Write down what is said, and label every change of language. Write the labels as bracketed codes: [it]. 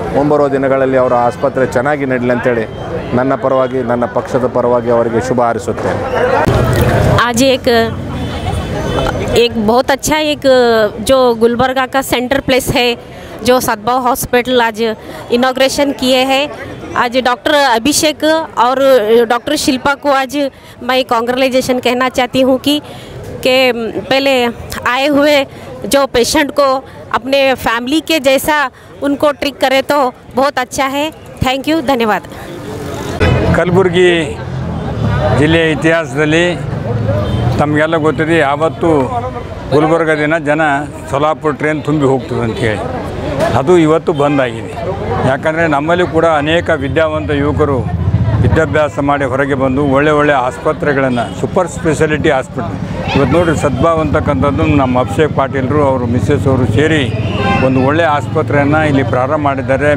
[kn] ಮುಂಬರುವ ದಿನಗಳಲ್ಲಿ ಅವರ ಆಸ್ಪತ್ರೆ ಚೆನ್ನಾಗಿ ನಡೀಲಿ ಅಂತೇಳಿ ನನ್ನ ಪರವಾಗಿ ನನ್ನ ಪಕ್ಷದ ಪರವಾಗಿ ಅವರಿಗೆ ಶುಭ ಹಾರಿಸುತ್ತೇನೆ. [hi] एक बहुत अच्छा एक जो गुलबर्गा का सेंटर प्लेस है, जो सद्भाव हॉस्पिटल आज इनॉग्रेशन किए हैं, आज डॉक्टर अभिषेक और डॉक्टर शिल्पा को आज मैं कॉन्ग्रेचुलेशन कहना चाहती हूँ कि पहले आए हुए जो पेशेंट को अपने फैमिली के जैसा उनको ट्रीट करे तो बहुत अच्छा है. थैंक यू, धन्यवाद. कलबुर्गी जिले इतिहास [kn] ತಮಗೆಲ್ಲ ಗೊತ್ತಿದೆ, ಯಾವತ್ತು ಗುಲ್ಬರ್ಗ ದಿನ ಜನ ಸೊಲಾಪುರ ಟ್ರೈನ್ ತುಂಬಿ ಹೋಗ್ತದೆ ಅಂತೇಳಿ, ಅದು ಇವತ್ತು ಬಂದಾಗಿದೆ. ಯಾಕಂದರೆ ನಮ್ಮಲ್ಲಿ ಕೂಡ ಅನೇಕ ವಿದ್ಯಾವಂತ ಯುವಕರು ವಿದ್ಯಾಭ್ಯಾಸ ಮಾಡಿ ಹೊರಗೆ ಬಂದು ಒಳ್ಳೆ ಒಳ್ಳೆ ಆಸ್ಪತ್ರೆಗಳನ್ನು ಸೂಪರ್ ಸ್ಪೆಷಾಲಿಟಿ ಆಸ್ಪತ್ರೆ ಇವತ್ತು ನೋಡಿರಿ ಸದ್ಭಾವ್ ಅಂತಕ್ಕಂಥದ್ದು ನಮ್ಮ ಅಭಿಷೇಕ್ ಪಾಟೀಲರು ಅವರು ಮಿಸ್ಸೆಸ್ ಅವರು ಸೇರಿ ಒಂದು ಒಳ್ಳೆ ಆಸ್ಪತ್ರೆಯನ್ನು ಇಲ್ಲಿ ಪ್ರಾರಂಭ ಮಾಡಿದ್ದಾರೆ.